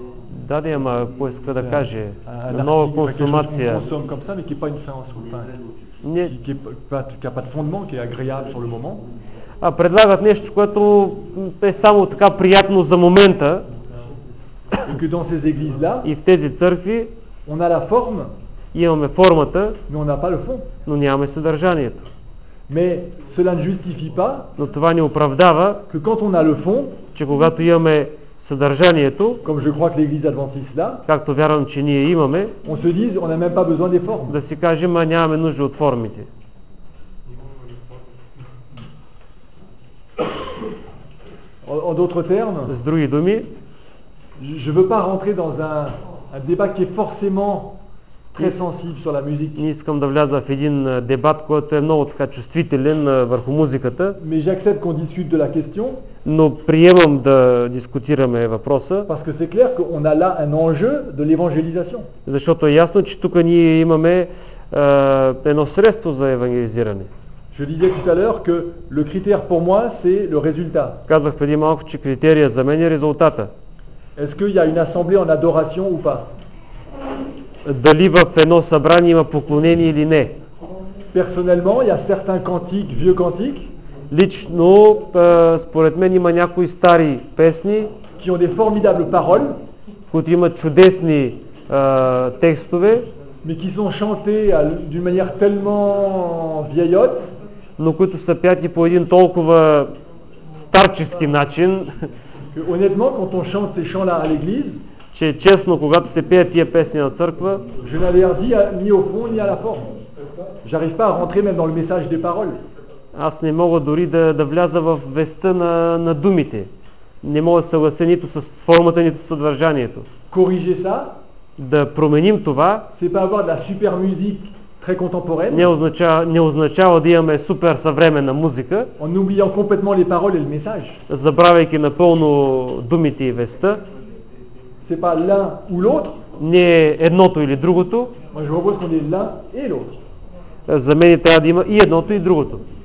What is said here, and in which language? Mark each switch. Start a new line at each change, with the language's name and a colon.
Bulgarian: Да, да, ама какво иска да каже? Нова консумация.
French: Consomme comme ça, mais qui n'est pas une fin en soi. Enfin, qui a pas de fondement, qui est agréable sur le moment.
Bulgarian: А предлагат нещо, което е само така приятно за момента.
French: Et que dans ces églises-là,
Bulgarian: и в тези църкви,
French: on a la forme,
Bulgarian: имаме формата,
French: mais on n'a pas le fond.
Bulgarian: Но нямаме съдържанието.
French: Mais cela ne justifie pas,
Bulgarian: но това не оправдава,
French: que quand on a le fond,
Bulgarian: че когато имаме съдържанието,
French: comme je crois que l'église adventiste là,
Bulgarian: както вярвам, че ние имаме,
French: on se dise, on n'a même pas besoin des formes.
Bulgarian: Да си кажем, а нямаме нужда от формите.
French: En d'autres termes,
Bulgarian: с други думи,
French: je veux pas rentrer dans un débat qui est forcément très sensible sur la musique.
Bulgarian: Не искам да вляза в един дебат, който е много така чувствителен върху музиката.
French: Mais j'accepte qu'on discute de la question.
Bulgarian: Но приемам да дискутираме въпроса.
French: Parce que c'est clair qu'on a là un enjeu de l'évangélisation.
Bulgarian: Защото е ясно, че тук ние имаме едно средство за евангелизиране.
French: Je disais tout à l'heure que le critère pour moi c'est le résultat.
Bulgarian: Казах преди малко, че критерия за мен е резултата.
French: Est-ce qu'il y a une assemblée en adoration ou pas?
Bulgarian: Дали в едно събрание има поклонение или не?
French: Personnellement, il y a certains cantiques, vieux cantiques.
Bulgarian: Лично, според мен има някои стари песни,
French: qui ont des formidables paroles,
Bulgarian: които имат чудесни текстове,
French: mais qui sont chantés d'une manière tellement vieillotte,
Bulgarian: но които са пяти по един толкова старчески начин.
French: Honnêtement, quand on chante ces chants-là à l'église,
Bulgarian: че честно, когато се пеят тия песни на църква,
French: je n'avais dit ni au fond ni à la forme. J'arrive pas à rentrer même dans le message des paroles.
Bulgarian: Аз не мога дори да вляза в веста на думите. Не мога да съглася нито с формата, нито с съдържанието.
French: Corriger ça?
Bulgarian: Да променим това?
French: C'est pas avoir de la super musique très contemporaine.
Bulgarian: Не означава да имаме супер съвременна музика.
French: En oubliant complètement les paroles et le message.
Bulgarian: Забравяйки напълно думите и веста.
French: C'est pas l'un ou l'autre.
Bulgarian: Не е едното или другото.
French: Moi je propose qu'on ait l'un et l'autre.
Bulgarian: За мен трябва да има и едното и другото.